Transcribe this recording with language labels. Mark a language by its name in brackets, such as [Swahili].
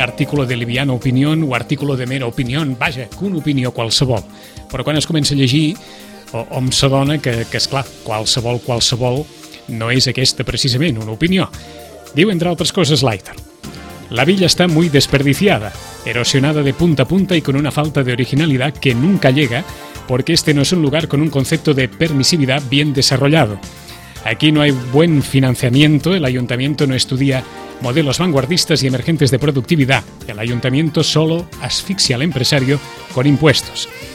[Spanish] Artículo de liviana opinión o artículo de mera opinión, [Catalan] vaja, que una opinió qualsevol. Però quan es comença a llegir, hom s'adona que esclar, qualsevol no és aquesta precisament una opinió. Diu, entre altres coses, [Spanish] Leiter: la villa está muy desperdiciada, erosionada de punta a punta y con una falta de originalidad que nunca llega, porque este no es un lugar con un concepto de permisividad bien desarrollado. Aquí no hay buen financiamiento, el ayuntamiento no estudia modelos vanguardistas y emergentes de productividad, el ayuntamiento solo asfixia al empresario con impuestos.